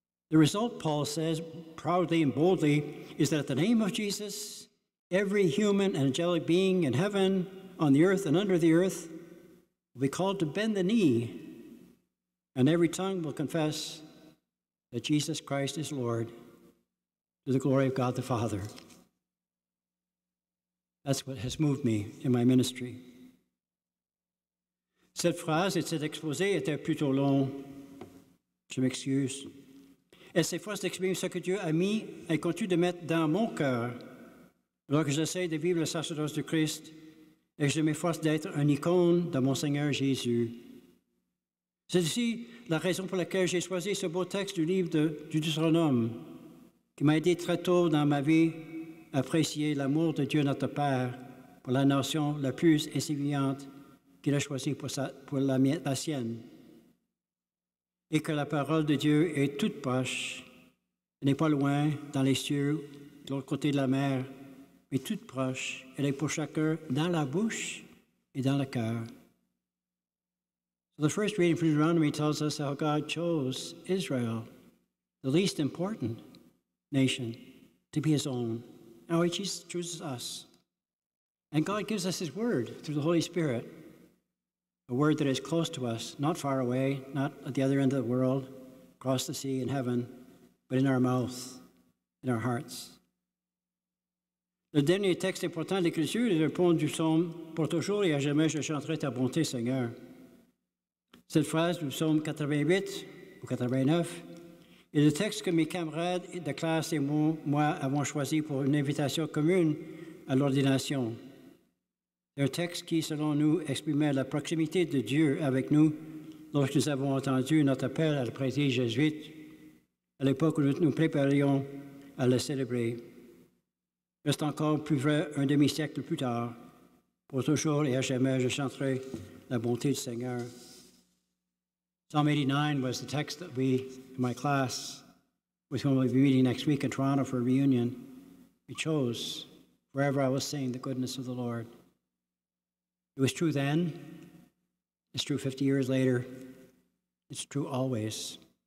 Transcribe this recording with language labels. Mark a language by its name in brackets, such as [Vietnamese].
[English] The result, Paul says proudly and boldly, is that at the name of Jesus, every human and angelic being in heaven, on the earth and under the earth, will be called to bend the knee, and every tongue will confess that Jesus Christ is Lord, to the glory of God the Father. That's what has moved me in my ministry. [French] Cette phrase et cet exposé étaient plutôt longs. Je m'excuse. Et ces phrases expriment ce que Dieu a mis et continue de mettre dans mon cœur, alors que j'essaie de vivre le sacerdoce de Christ. Et je m'efforce d'être une icône de mon Seigneur Jésus. C'est aussi la raison pour laquelle j'ai choisi ce beau texte du livre du Deutéronome, qui m'a aidé très tôt dans ma vie à apprécier l'amour de Dieu notre Père pour pour la nation la plus insignifiante qu'il a choisie pour la sienne. Et que la parole de Dieu est toute proche, elle n'est pas loin dans les cieux, de l'autre côté de la mer, mais toute proche, elle est pour chacun dans la bouche et dans le cœur. [English] So the first reading from Deuteronomy tells us how God chose Israel, the least important nation, to be his own. Now he chooses us. And God gives us his word through the Holy Spirit, a word that is close to us, not far away, not at the other end of the world, across the sea in heaven, but in our mouth, in our hearts. [French] Le dernier texte important de l'Écriture est le pont du psaume « Pour toujours et à jamais je chanterai ta bonté, Seigneur ». Cette phrase du psaume 88 ou 89 est le texte que mes camarades de classe et moi avons choisi pour une invitation commune à l'ordination. Un texte qui, selon nous, exprimait la proximité de Dieu avec nous lorsque nous avons entendu notre appel à la prêtrise jésuite à l'époque où nous nous préparions à le célébrer. Reste encore plus vrai un demi-siècle plus tard. Pour toujours et à jamais, je chanterai la bonté du Seigneur. [English] Psalm 89 was the text that we, in my class, with whom we'll be meeting next week in Toronto for a reunion, we chose, "Forever I will sing the goodness of the Lord." It was true then, it's true 50 years later, it's true always.